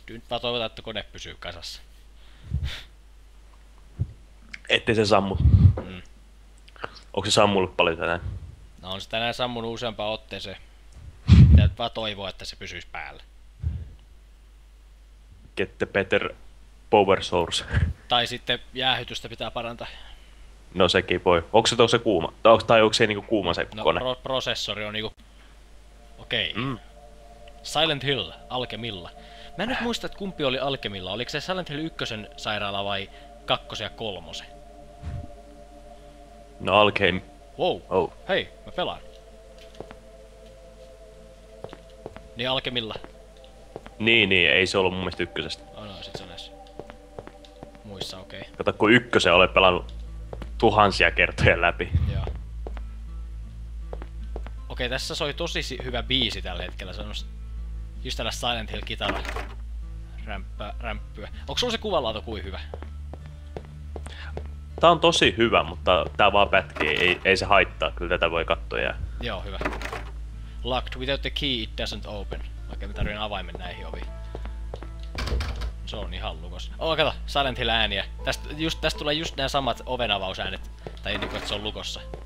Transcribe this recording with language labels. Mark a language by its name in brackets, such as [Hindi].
[Finnish] Mä toivotan, että kone pysyy kasassa. Ettei se sammu. Onko se sammunut paljon tänään? No on se tänään sammunut useampaan otteeseen. Pitää vaan toivoa, että se pysyisi päällä. [English] Get the better power source. [Finnish] Tai sitten jäähytystä pitää parantaa. No sekin voi. Onko se tuossa kuuma? Tai onko se niinku kuuma se no, kone? No prosessori on niinku... Okei. Okay. Mm. Silent Hill, Alkemilla. Mä en nyt muista, että kumpi oli Alkemilla. Oliko se Silent Hill 1 sairaala vai 2 ja 3? No Alkem... Wow. Oh. Hei, mä pelaan. Niin Alkemilla. Niin, ei se ollut mun mielestä 1. Oh, no, sit se on näissä. Muissa, okei. Okay. Kato, kun 1 olen pelannut tuhansia kertoja läpi. Joo. Okei, tässä soi tosi hyvä biisi tällä hetkellä. Se on just tällä Silent Hill kitara rämppyä. Onko sulla se kuvanlaatu kuin hyvä? Tää on tosi hyvä, mutta tää vaan pätkii. Ei se haittaa. Kyllä tätä voi katsoa ja... Joo, hyvä. [English] Locked without the key, it doesn't open. [Finnish] Okei, mä tarvitsen avaimen näihin oviin. Se on ihan lukos. Oh, kato, Silent Hill ääniä. Tästä tulee just nää samat ovenavausäänet. Tai niin kuin, että se on lukossa.